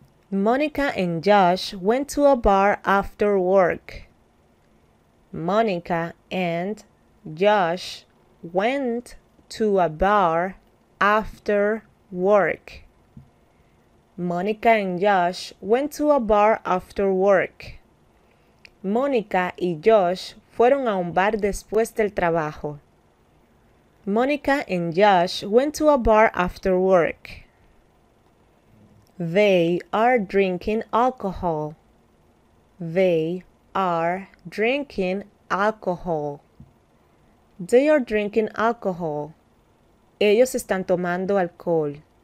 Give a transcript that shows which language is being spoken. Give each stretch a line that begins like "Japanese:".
English: Monica and Josh went to a bar after work. Monica and Josh went to a bar after work. Monica and Josh went to a bar after work.
Spanish: Monica y Josh fueron a un bar después del trabajo.
English: Monica and Josh went to a bar after work. They are drinking alcohol. They are drinking alcohol. They are drinking alcohol.
Spanish: Ellos están tomando alcohol.